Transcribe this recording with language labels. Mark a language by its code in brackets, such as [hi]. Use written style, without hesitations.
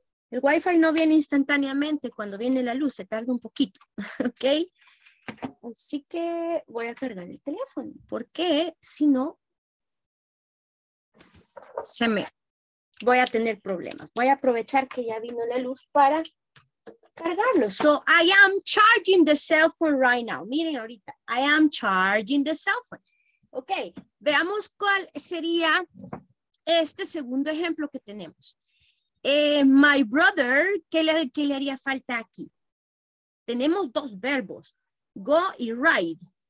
[es] El Wi-Fi no viene instantáneamente cuando viene la luz, se tarda un poquito, ¿ok? Así que voy a cargar el teléfono, porque si no, voy a tener problemas. Voy a aprovechar que ya vino la luz para cargarlo. [en] So, I am charging the cell phone right now. [es] Miren ahorita, [en] I am charging the cell phone. [es] Ok, veamos cuál sería este segundo ejemplo que tenemos. [en] My brother, [es] ¿qué le haría falta aquí? Tenemos dos verbos, go y ride.